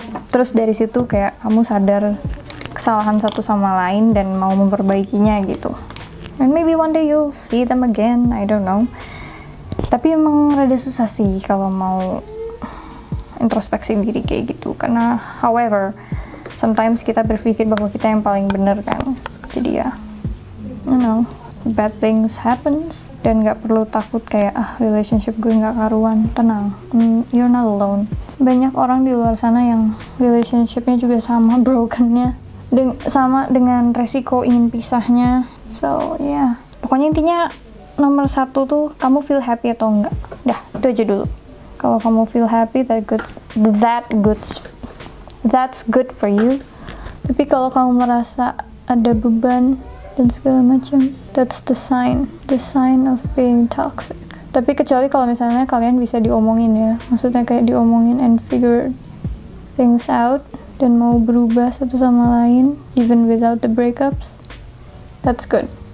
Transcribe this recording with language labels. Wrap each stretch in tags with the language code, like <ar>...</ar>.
<id>Terus dari situ kayak kamu sadar kesalahan satu sama lain dan mau memperbaikinya gitu.</id> <en>And maybe one day you'll see them again, I don't know.</en> <id>Tapi emang rada susah sih kalau mau introspeksi diri kayak gitu. Karena</id> <en>however, sometimes</en> <id>kita berpikir bahwa kita yang paling benar kan. Jadi ya,</id> <en>you know, bad things happens.</en> <id>Dan gak perlu takut kayak, relationship gue gak karuan. Tenang,</id> <en>you're not alone.</en> <id>Banyak orang di luar sana yang relationship-nya juga sama broken-nya. Sama dengan resiko ingin pisahnya.</id> <en>So, yeah.</en> <id>Pokoknya intinya nomor satu tuh kamu feel happy atau enggak. Dah, itu aja dulu. Kalau kamu</id> <en>feel happy, that's good for you.</en> <id>Tapi kalau kamu merasa ada beban dan segala macam,</id> <en>that's the sign of being toxic.</en> <id>Tapi kecuali kalau misalnya kalian bisa diomongin ya, maksudnya kayak diomongin</id> <en>and figure things out</en> <id>dan mau berubah satu sama lain</id> <en>even without the breakups, that's good.</en>